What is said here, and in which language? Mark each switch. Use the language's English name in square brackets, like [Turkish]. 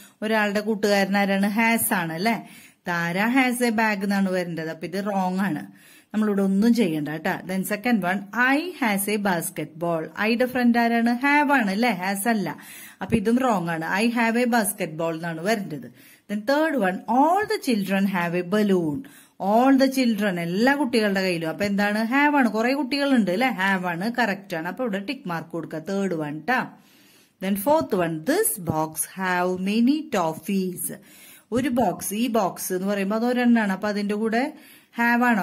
[Malayalam] ഒരാളുടെ കൂട്ടുകാരൻ ആരാണ്? ഹാസ് ആണ് അല്ലെ. [English] Tara has a bag [Malayalam] എന്നാണ് വരേണ്ടത്. അപ്പൊ ഇത് റോങ് ആണ്, നമ്മളിവിടെ ഒന്നും ചെയ്യണ്ട കേട്ടാ. [English] Then second one, I has a basketball. [Malayalam] ഐയുടെ ഫ്രണ്ട് ആരാണ്? ഹാവ് ആണ് അല്ലെ, ഹാസ് അല്ല. അപ്പൊ ഇതും റോങ് ആണ്. [English] I have a basketball [Malayalam] എന്നാണ് വരേണ്ടത്. Then [English] Then third one, all the children have a balloon. All the children, [Malayalam] എല്ലാ കുട്ടികളുടെ കയ്യിലും. അപ്പൊ എന്താണ്? ഹാവ് ആണ്. കുറെ കുട്ടികളുണ്ട് അല്ലെ? ഹാവ് ആണ്, കറക്റ്റ് ആണ്. അപ്പൊ ഇവിടെ ടിക് മാർക്ക് കൊടുക്കുക, തേർഡ് വൺ ട്ടാ. [English] Then fourth one, this box have many toffees. [Malayalam] ഒരു ബോക്സ്, ഈ ബോക്സ് എന്ന് പറയുമ്പോൾ അത് ഒരെണ്ണാണ്. അപ്പൊ അതിന്റെ കൂടെ ഹാവ് ആണോ?